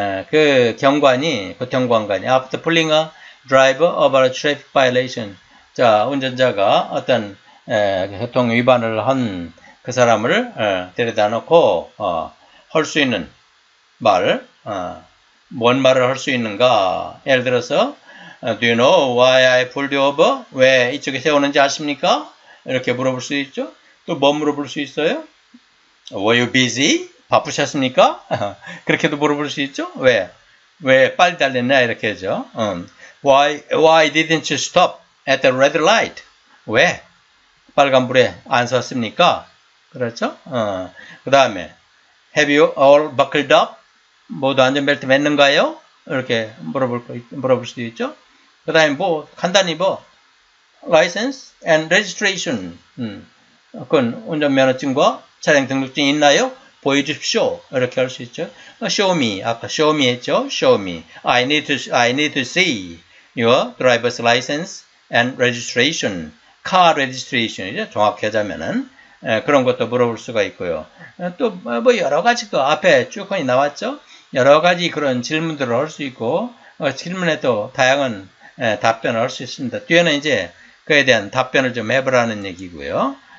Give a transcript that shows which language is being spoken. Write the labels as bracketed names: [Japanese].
[Korean] 그 경관이, 교통관관이 [English] after pulling a driver over a traffic violation. [Korean] 자, 운전자가 어떤 교통 위반을 한 그 사람을 데려다 놓고 할 수 있는 말, 뭔 말을 할 수 있는가? [English] 예를 들어서, Do you know why I pulled you over? [Korean] 왜 이쪽에 세우는지 아십니까? 이렇게 물어볼 수 있죠. 또 뭐 물어볼 수 있어요? [English] Were you busy? [Korean] 바쁘셨습니까? 그렇게도 물어볼 수 있죠. 왜 빨리 달렸냐? 이렇게 하죠. [English] Why didn't you stop at the red light? [Korean] 왜 빨간불에 안 섰습니까? 그렇죠? 그 다음에, [English] Have you all buckled up? [Korean] 모두 안전벨트 맸는가요? 이렇게 물어볼 수도 있죠. 그 다음에 뭐, 간단히 뭐, [English] license and registration. [Korean] 그건 운전면허증과 차량 등록증이 있나요? 보여주십시오. 이렇게 할 수 있죠. [English] Show me. [Korean] 아까 show me 했죠. Show me. [English] I need to see your driver's license and registration. Car registration. [Korean] 이제 정확히 하자면은. 그런 것도 물어볼 수가 있고요. 또, 뭐, 여러 가지 또 앞에 쭉 많이 나왔죠. 여러 가지 그런 질문들을 할 수 있고, 질문에도 다양한 답변을 할 수 있습니다. 뒤에는 이제 그에 대한 답변을 좀 해보라는 얘기고요.